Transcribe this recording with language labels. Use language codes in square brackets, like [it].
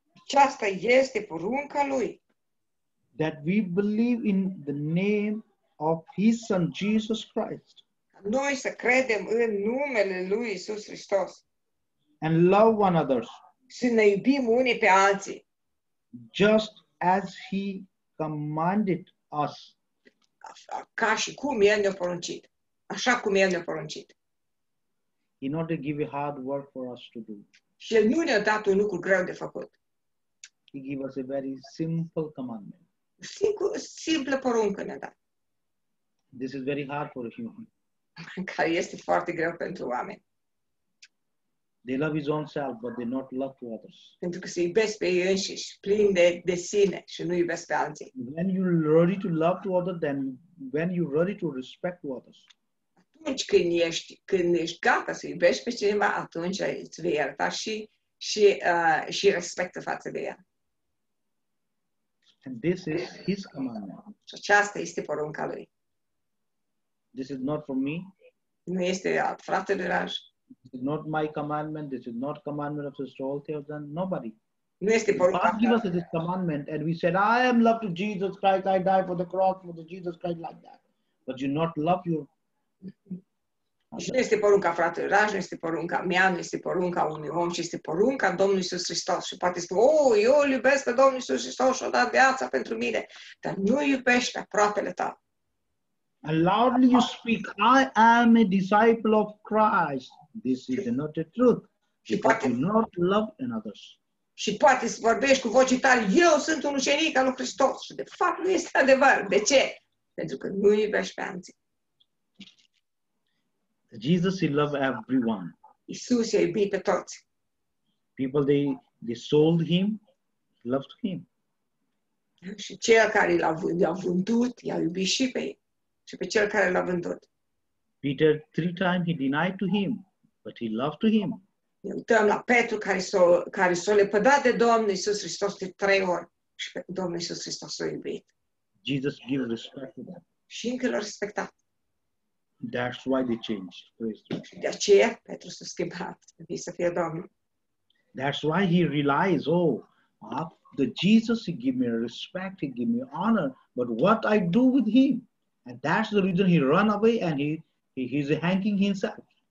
[ro] Aceasta este porunca lui. [en] That we believe in the name of his son Jesus Christ. [ro] Noi să credem în numele lui Iisus Hristos. [en] And love one another. [ro] Să ne iubim unii pe alții. [en] Just as he commanded us. [ro] Ca și cum el ne-a poruncit. Așa cum el ne-a poruncit. [en] He not to give a hard work for us to do. [ro] Și el nu ne-a dat un lucru greu de făcut. [en] He gave us a very simple commandment. [ro] Simplă poruncă ne-a dat. [en] This is very hard for a human. [ro] Care este foarte greu pentru oameni. [en] They love his own self, but they not love to others. [ro] Pentru că se iubesc pe ei înșiși, plin de sine și nu iubesc pe alții. [en] When you're ready to love to others, then when you're ready to respect to others. [ro] Atunci când ești gata să iubești pe cineva, atunci îți vei ierta și respectă față de el. [en] And this is his commandment. [ro] Și aceasta este porunca lui. [en] This is not from me. [ro] Nu este al fratele Raj. [en] This is not my commandment. This is not commandment of Sister Altheos and nobody. [ro] Nu este porunca. [en] God gave us this commandment and we said, I am loved to Jesus Christ. I die for the cross, for the Jesus Christ, like that. But you not love your... [ro] Și nu este porunca fratele Raj, nu este porunca mea, nu este porunca unui om, ci este porunca Domnului Iisus Hristos. Și poate spune, eu îl iubesc pe Domnul Iisus Hristos și-a dat viața pentru mine. Dar nu iubești pe aproapele tău. [en] And loudly you speak, I am a disciple of Christ. This is not the truth. You do not love another. [ro] Și poate să vorbești cu voce tare, eu sunt un ucenic al lui Hristos. Și de fapt nu este adevăr. De ce? Pentru că nu iubești pe alții. [en] Jesus, he loved everyone. [ro] Iisus i-a iubit pe toți. [en] People, they sold him, loved him. [ro] Și cel care l-a vândut, i-a iubit și pe ei. Și pe cel care l-a vândut. [en] Peter, 3 times he denied to him, but he loved to him. [ro] Ne uităm la Petru care s-a lepădat de Domnul Iisus Hristos de 3 ori. Și pe Domnul Iisus Hristos l-a iubit. [en] Jesus gave respect to them. [ro] Și încă l-a respectat. [en] That's why they changed. [ro] De aceea Petru s-a schimbat. Să fie Domnul. [en] That's why he realized, the Jesus, he gave me respect, he gave me honor, but what I do with him? And that's the reason he ran away and he's hanging himself.